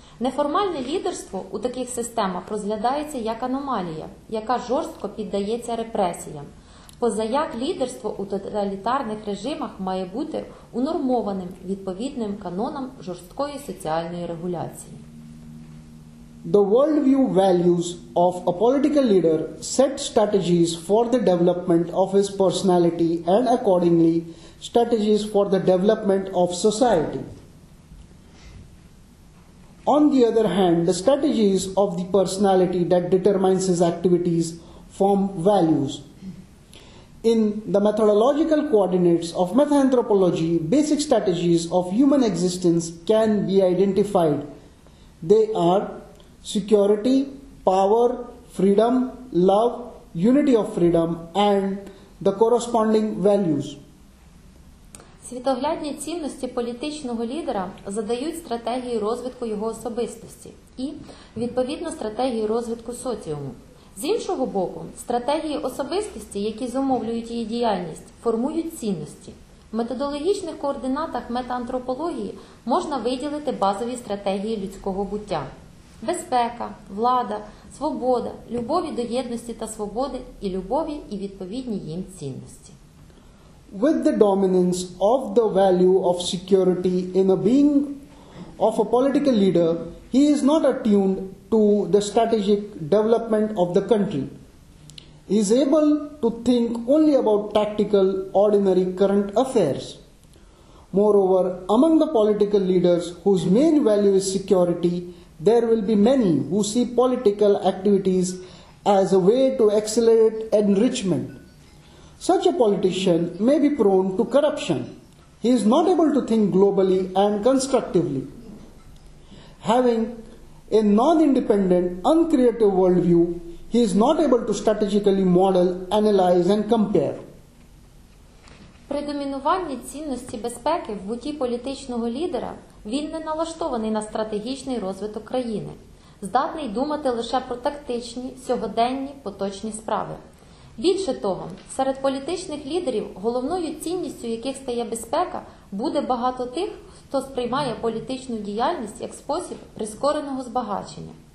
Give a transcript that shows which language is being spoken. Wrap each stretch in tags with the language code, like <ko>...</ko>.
<uk>Неформальне лідерство у таких системах розглядається як аномалія, яка жорстко піддається репресіям. Позаяк лідерство у тоталітарних режимах має бути унормованим відповідним канонам жорсткої соціальної регуляції.</uk> <en>The worldview values of a political leader set strategies for the development of his personality and accordingly strategies for the development of society. On the other hand, the strategies of the personality that determines his activities form values. In the methodological coordinates of meta-anthropology, basic strategies of human existence can be identified. They are security, power, freedom, love, unity of freedom, and the corresponding values.</en> <uk>Світоглядні цінності політичного лідера задають стратегії розвитку його особистості і, відповідно, стратегії розвитку соціуму. З іншого боку, стратегії особистості, які зумовлюють її діяльність, формують цінності. В методологічних координатах метаантропології можна виділити базові стратегії людського буття. Безпека, влада, свобода, любові до єдності та свободи і любові і відповідні їм цінності.</uk> <en>With the dominance of the value of security in a being of a political leader, he is not attuned to the strategic development of the country. He is able to think only about tactical, ordinary current affairs. Moreover, among the political leaders whose main value is security, there will be many who see political activities as a way to accelerate enrichment. Such a politician may be prone to corruption. He is not able to think globally and constructively. Having a non-independent, uncreative worldview, he is not able to strategically model, analyze and compare.</en> <uk>Предомінувальні цінності безпеки в буті політичного лідера, він не налаштований на стратегічний розвиток країни, здатний думати лише про тактичні, сьогоденні, поточні справи. Більше того, серед політичних лідерів, головною цінністю яких стає безпека, буде багато тих, хто сприймає політичну діяльність як спосіб прискореного збагачення.</uk>